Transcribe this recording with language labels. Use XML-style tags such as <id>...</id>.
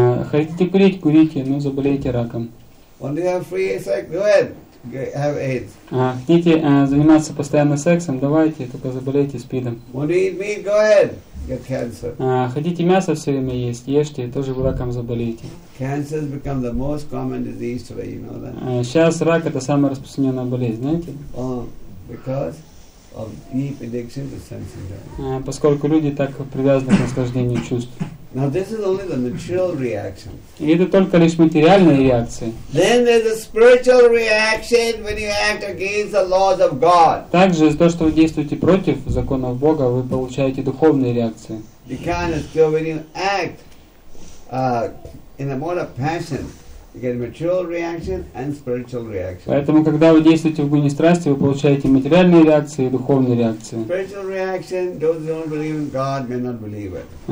<ru>Хотите курить? Курите, но заболеете раком.</ru> <en>Want to have free sex? Go ahead. Have AIDS.</en> <ru>Хотите заниматься постоянно сексом? Давайте, только заболеете СПИДом.</ru> <en>Want to eat meat? Go ahead. Get cancer.</en> <ru>Хотите мясо все время есть? Ешьте, тоже раком заболеете.</ru> <en>Cancer has become the most common disease today, you know that?</en> <ru>Сейчас рак – это самая распространенная болезнь, знаете?</ru> <en>Because of deep addiction to sense enjoyment.</en> <ru>Поскольку люди так привязаны к наслаждению чувств.</ru> <en>Now this is only the material reaction.</en> <ru>И это только лишь материальная реакция.</ru> <en>Then there's a spiritual reaction when you act against the laws of God.</en> <ru>Также из-за того, что вы действуете против законов Бога, вы получаете духовные реакции.</ru> <en>You can't escape when you act in a mode of passion. You get material reaction and spiritual reaction.</en> <ru>Поэтому, когда вы действуете в гуне страсти, вы получаете материальные реакции и духовные реакции.</ru> <en>Spiritual reaction, those who don't believe in God may not believe it.</en>